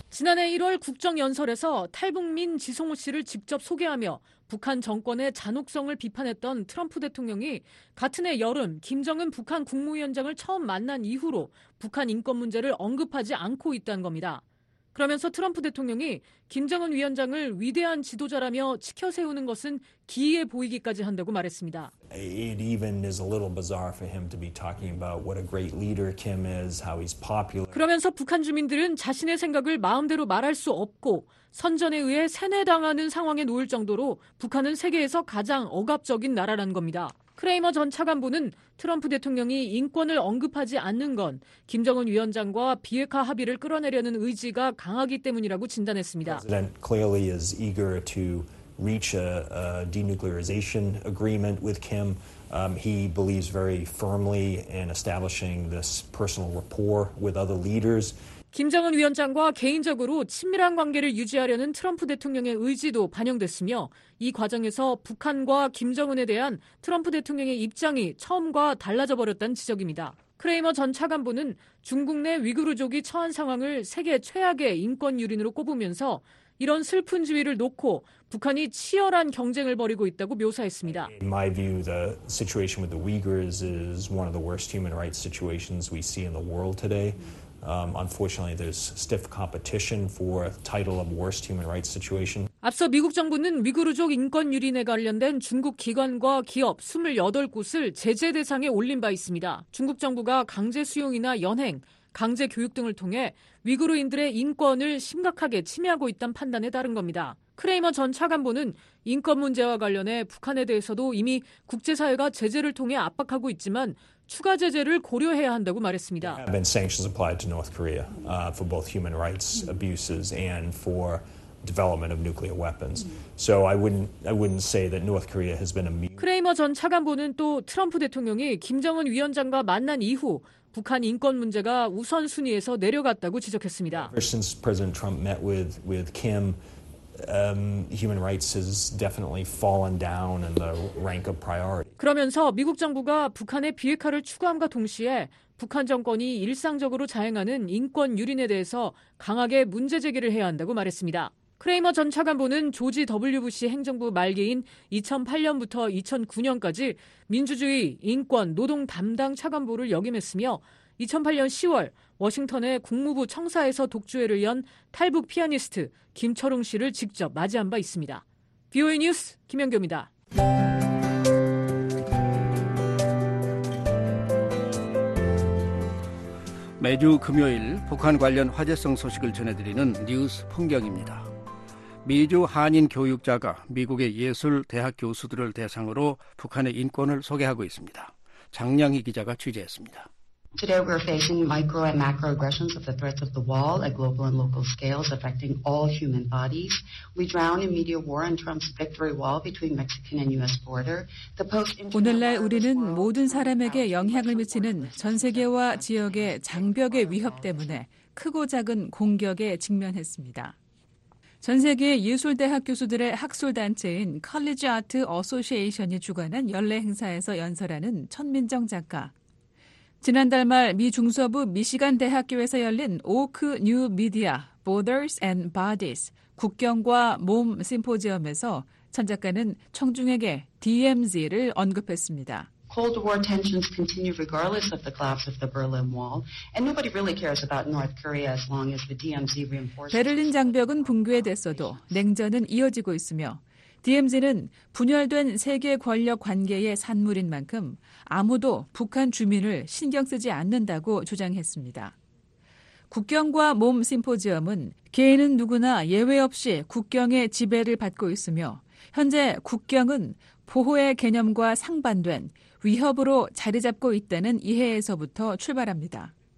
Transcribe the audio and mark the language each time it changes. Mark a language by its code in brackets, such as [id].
[ko] 지난해 1월 국정연설에서 탈북민 지송호 씨를 직접 소개하며 북한 정권의 잔혹성을 비판했던 트럼프 대통령이 같은 해 여름 김정은 북한 국무위원장을 처음 만난 이후로 북한 인권 문제를 언급하지 않고 있다는 겁니다. 그러면서 트럼프 대통령이 김정은 위원장을 위대한 지도자라며 치켜세우는 것은 기이해 보이기까지 한다고 말했습니다. [en] It even is a little bizarre for him to be talking about what a great leader Kim is, how he's popular. [ko] 그러면서 북한 주민들은 자신의 생각을 마음대로 말할 수 없고 선전에 의해 세뇌당하는 상황에 놓일 정도로 북한은 세계에서 가장 억압적인 나라라는 겁니다. 크레이머 전 차관보는 트럼프 대통령이 인권을 언급하지 않는 건 김정은 위원장과 비핵화 합의를 끌어내려는 의지가 강하기 때문이라고 진단했습니다. [en] President clearly is eager to reach a denuclearization agreement with Kim. He believes very firmly in establishing this personal rapport with other leaders. [ko] 김정은 위원장과 개인적으로 친밀한 관계를 유지하려는 트럼프 대통령의 의지도 반영됐으며 이 과정에서 북한과 김정은에 대한 트럼프 대통령의 입장이 처음과 달라져 버렸다는 지적입니다. 크레이머 전 차관보는 중국 내 위구르족이 처한 상황을 세계 최악의 인권 유린으로 꼽으면서 이런 슬픈 지위를 놓고 북한이 치열한 경쟁을 벌이고 있다고 묘사했습니다. [en] In my view, the situation with the Uyghurs is one of the worst human rights situations we see in the world today. Unfortunately, there's stiff competition for title of worst human rights situation. [ko] 앞서 미국 정부는 위구르족 인권 유린에 관련된 중국 기관과 기업 28곳을 제재 대상에 올린 바 있습니다. 중국 정부가 강제 수용이나 연행, 강제 교육 등을 통해 위구르인들의 인권을 심각하게 침해하고 있다는 판단에 따른 겁니다. 크레이머 전 차관보는 인권 문제와 관련해 북한에 대해서도 이미 국제사회가 제재를 통해 압박하고 있지만 추가 제재를 고려해야 한다고 말했습니다. [en] There have been sanctions applied to North Korea for both human rights abuses and for development of nuclear weapons. So I wouldn't say that North Korea has been immune. [ko] 크레이머 전 차관보는 또 트럼프 대통령이 김정은 위원장과 만난 이후 북한 인권 문제가 우선 순위에서 내려갔다고 지적했습니다. [en] Ever since President Trump met with Kim, human rights has definitely fallen down in the rank of priority. [ko] 그러면서 미국 정부가 북한의 비핵화를 추구함과 동시에 북한 정권이 일상적으로 자행하는 인권 유린에 대해서 강하게 문제 제기를 해야 한다고 말했습니다. 크레이머 전 차관보는 조지 W. 부시 행정부 말기인 2008년부터 2009년까지 민주주의 인권 노동 담당 차관보를 역임했으며 2008년 10월 워싱턴의 국무부 청사에서 독주회를 연 탈북 피아니스트 김철웅 씨를 직접 맞이한 바 있습니다. VOA 뉴스 김영교입니다. 매주 금요일 북한 관련 화제성 소식을 전해드리는 뉴스 풍경입니다. 미주 한인 교육자가 미국의 예술 대학 교수들을 대상으로 북한의 인권을 소개하고 있습니다. 장량희 기자가 취재했습니다. [en] Today we're facing micro and macro aggressions of the threats of the wall at global and local scales affecting all human bodies. We drown in media war and Trump's victory wall between Mexican and U.S. border. The post-internet [ko] 오늘날 우리는 모든 사람에게 영향을 미치는 전 세계와 지역의 장벽의 위협 때문에 크고 작은 공격에 직면했습니다. 전 세계 예술대학 교수들의 학술단체인 College Art Association이 주관한 연례 행사에서 연설하는 천민정 작가. 지난달 말 미 중서부 미시간 대학교에서 열린 오크 뉴 미디아 Borders and Bodies 국경과 몸 심포지엄에서 천 작가는 청중에게 DMZ를 언급했습니다. [en] Cold War tensions continue regardless of the collapse of the Berlin Wall, and nobody really cares about North Korea as long as the DMZ reinforces. [ko] 베를린 장벽은 붕괴됐어도 냉전은 이어지고 있으며 DMZ는 분열된 세계 권력 관계의 산물인 만큼 아무도 북한 주민을 신경 쓰지 않는다고 주장했습니다. 국경과 몸 심포지엄은 개인은 누구나 예외 없이 국경의 지배를 받고 있으며 현재 국경은 보호의 개념과 상반된 위협으로 자리 잡고 있다는 이해에서부터 출발합니다.